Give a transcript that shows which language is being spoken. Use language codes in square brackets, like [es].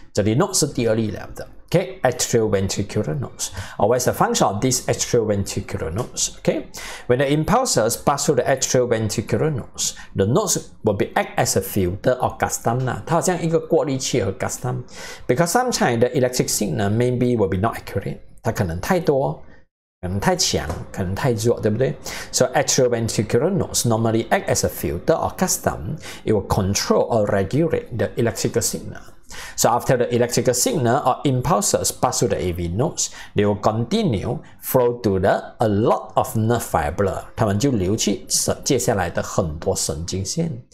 [zh] 这里 nodes 是第二例了的。 Okay, atrioventricular nodes. [en] Or what is the function of these atrioventricular nodes? Okay, when the impulses pass through the atrioventricular nodes, the nodes will be act as a filter or custom. [zh] 它好像一个过滤器和 custom. [en] Because sometimes the electric signal maybe will be not accurate. [zh] 它可能太多，可能太强，可能太弱，对不对？ [en] So atrioventricular nodes normally act as a filter or custom. It will control or regulate the electrical signal. So after the electrical signal or impulses pass through the AV nodes, they will continue flow to the a lot of nerve fiber. [zh] 他们就流去接下来的很多神经线。